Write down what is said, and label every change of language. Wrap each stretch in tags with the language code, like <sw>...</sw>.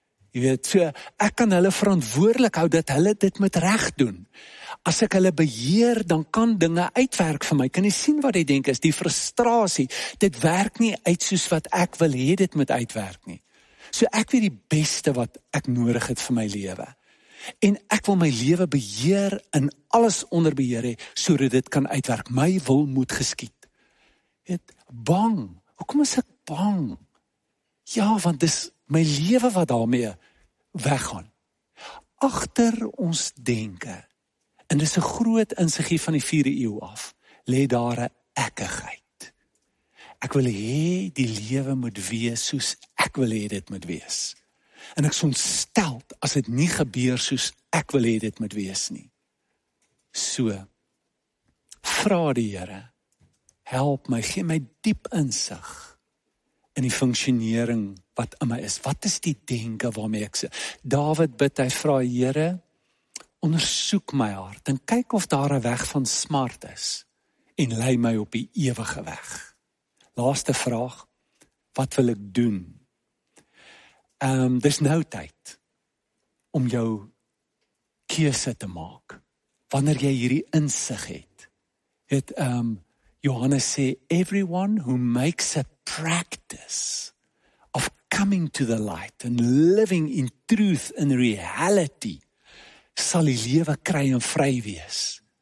<af>Jy weet, so, ek kan hulle verantwoordelik hou dat hulle dit met reg doen. As ek hulle beheer, dan kan dinge uitwerk vir my. Kan jy sien wat jy denk is? Die frustrasie, dit werk nie uit soos wat ek wil hê dit moet uitwerk nie. So ek weet die beste wat ek nodig het vir my lewe. En ek wil my lewe beheer en alles onder beheer hê, sodat dit kan uitwerk. My wil moet geskied. Het bang. Hoekom is ek bang? Ja, want dis my lewe wat daarmee weggaan. Agter ons denke, en dis 'n groot insiggie van die 4de eeu af, lê daar 'n ekkigheid. Ek wil hê die lewe moet wees soos ek wil hê dit moet wees. En ek is ontsteld as dit nie gebeur soos ek wil hê dit moet wees nie. So, vra die Here, help my, gee my diep insig in die funksionering wat in my is. Wat is die denke waarmee ek se? Dawid bid, hy vra Here, ondersoek my hart en kyk of daar 'n weg van smart is en lei my op die ewige weg. Laaste vraag, wat wil ek doen? Dis nou tyd om jou keuse te maak. Wanneer jy hierdie insig het, het Johannes sê,</af> <en>everyone who makes a practice of coming to the light and living in truth and reality</en> <af>sal die lewe kry en vry wees.</af>